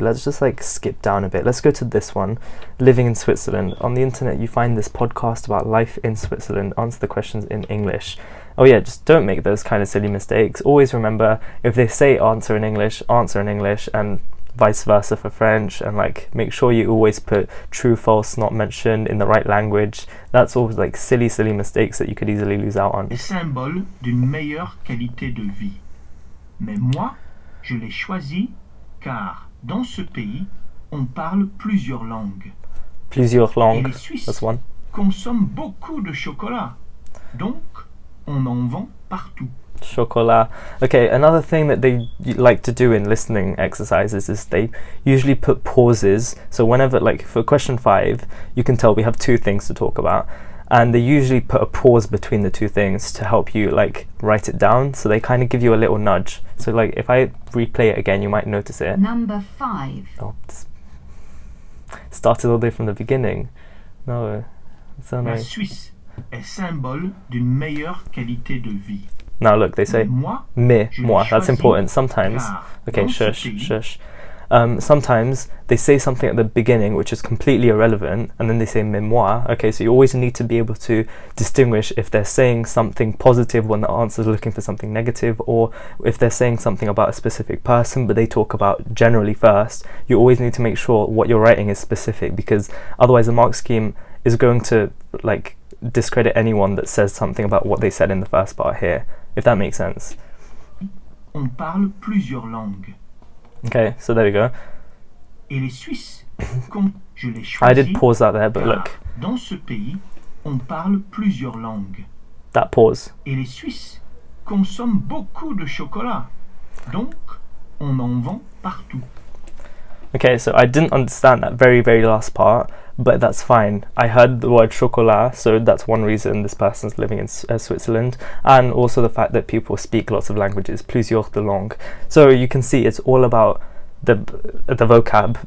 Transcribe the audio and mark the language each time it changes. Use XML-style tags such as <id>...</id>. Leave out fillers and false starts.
<en>Let's just like skip down a bit. Let's go to this one. Living in Switzerland, on the internet you find this podcast about life in Switzerland, answer the questions in English. Oh yeah, just don't make those kind of silly mistakes. Always remember, if they say answer in English, answer in English, and vice versa for French, and like make sure you always put true, false, not mentioned in the right language. That's all like silly, silly mistakes that you could easily lose out on.</en> <fr>Les symboles d'une meilleure qualité de vie. Mais moi, je l'ai choisi car dans ce pays, on parle plusieurs langues. Plusieurs langues. Et les Suisses,</fr> <en>that's one.</en> <fr>Consomment beaucoup de chocolat. Donc, on en vend partout. Chocolat.</fr> <en>Okay, another thing that they like to do in listening exercises is they usually put pauses. So whenever, like for question five, you can tell we have two things to talk about. And they usually put a pause between the two things to help you like write it down. So they kind of give you a little nudge. So like if I replay it again, you might notice it. Number five. Oh, started all the way from the beginning. No, so nice.</en> <fr>La Suisse est symbole d'une meilleure qualité de vie.</fr> <en>Now look, they say</en> <fr>mais,</fr> <en>moi, that's important. Sometimes, okay, shush. Sometimes they say something at the beginning which is completely irrelevant, and then they say</en> <fr>mais moi.</fr> <en>Okay, so you always need to be able to distinguish if they're saying something positive when the answer is looking for something negative, or if they're saying something about a specific person but they talk about generally first. You always need to make sure what you're writing is specific, because otherwise the mark scheme is going to like discredit anyone that says something about what they said in the first part here. If that makes sense.</en> <fr>On parle plusieurs langues.</fr> <en>Okay, so there we go.</en> <fr>Et les Suisses, comme je l'ai</fr> <en>choisi, I did pause that there, but look.</en> <fr>Dans ce pays, on parle plusieurs langues.</fr> <en>That pause.</en> <fr>Et les Suisses consomment beaucoup de chocolat. Donc, on en vend partout.</fr> <en>Okay, so I didn't understand that very, very last part. but that's fine. I heard the word chocolat, so that's one reason this person's living in Switzerland, and also the fact that people speak lots of languages,</en> <fr>plusieurs de langues.</fr> <en>So you can see it's all about the vocab.</en>